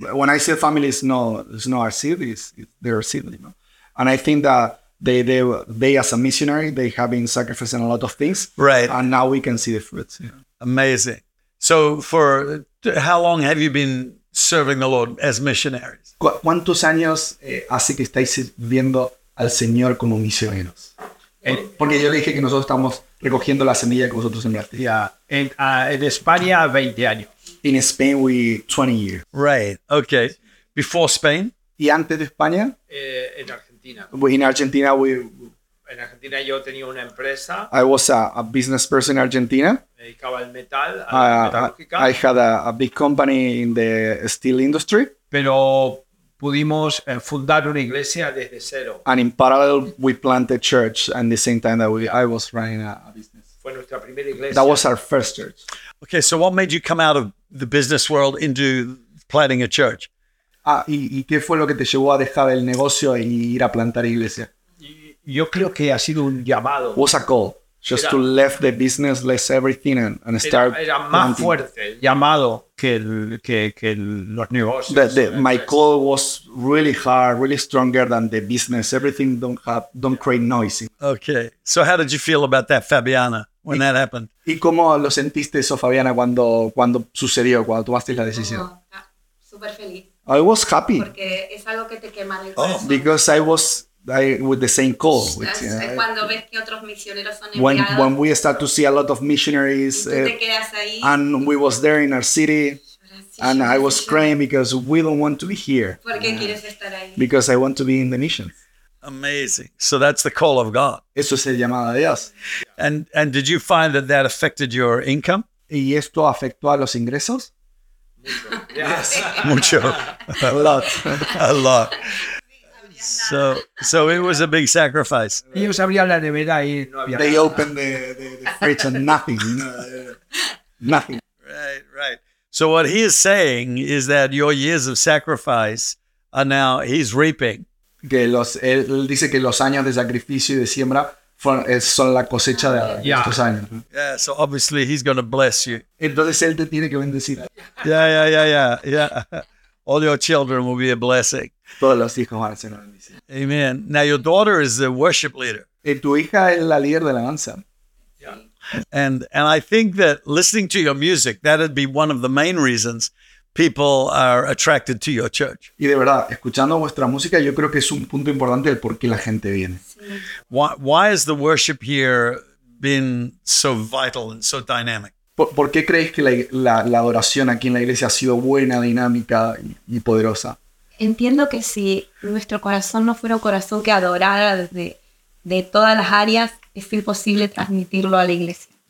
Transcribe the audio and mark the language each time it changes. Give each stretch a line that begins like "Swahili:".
English: When I say family, it's not our seed, it's their seed, you know. And I think that they as a missionary, they have been sacrificing a lot of things. Right. And now we can see the fruits. Yeah. Amazing. So for how long have you been serving the Lord as missionaries?
Spanish: ¿Cuántos años hace que estáis sirviendo al Señor como misioneros? Porque yo le dije que nosotros estamos recogiendo la semilla que vosotros sembraste. Yeah. En España, 20 años.
English: In Spain, we 20 years. Right. Okay. Before Spain?
Spanish: ¿Y antes de España? En Argentina. En Argentina yo tenía una empresa.
English: I was a business person in Argentina.
Spanish: Me dedicaba al metal, a la metalúrgica.
English: I had a big company in the steel industry.
Spanish: Pero pudimos fundar una iglesia desde cero.
English: And in parallel, we planted a church at the same time that I was running a business.
Spanish: Fue nuestra primera iglesia.
English: That was our first church. Okay, so what made you come out of the business world into planting a church?
Spanish: ¿Y qué fue lo que te llevó a dejar el negocio y ir a plantar iglesia? Yo creo que ha sido un llamado.
English: Was a call. Just to leave the business, leave everything and start.
Spanish: Era más fuerte el llamado que los negocios.
English: My call was really hard, really stronger than the business. Everything don't create noise. Okay. So how did you feel about that, Fabiana, when that happened?
Spanish: ¿Y cómo lo sentiste eso, Fabiana, cuando sucedió, cuando tomaste la decisión? Súper feliz.
English: I was happy.
Spanish: Porque es algo que te quema el corazón.
English: Because I was... with the same call. Which,
Spanish: ves que otros misioneros son enviados,
English: when we start to see a lot of missionaries, and we was there in our city, and I was crying because we don't want to be here. Because I want to be in the mission. Amazing. So that's the call of God.
Spanish: Eso es el llamado de Dios.
English: And did you find that affected your income?
Spanish: ¿Y esto afectó a los ingresos?
English: Yes.
Spanish: Mucho.
English: A lot. A lot. So it was a big sacrifice. They opened the fridge and nothing. Nothing. Right, right. So what he is saying is that your years of sacrifice are now, he's reaping.
Spanish: Él dice que los años de sacrificio y de siembra son la cosecha de estos años.
English: Yeah, so obviously he's going to bless you.
Spanish: Entonces él te tiene que bendecir.
English: Yeah. All your children will be a blessing.
Spanish: Todos los hijos van a ser una bendición.
English: Amen. Now your daughter is the worship leader.
Spanish: Y tu hija es la líder de la danza.
English: Yeah. And I think that listening to your music, that'd be one of the main reasons people are attracted to your church.
Spanish: Y de verdad, escuchando vuestra música, yo creo que es un punto importante del por qué la gente viene. Sí.
English: Why has the worship here been so vital and so dynamic?
Spanish: ¿Por qué crees que la adoración aquí en la iglesia ha sido buena, dinámica y poderosa? Entiendo que si nuestro corazón no fuera un corazón que adorara de todas las áreas, es imposible transmitirlo a la iglesia.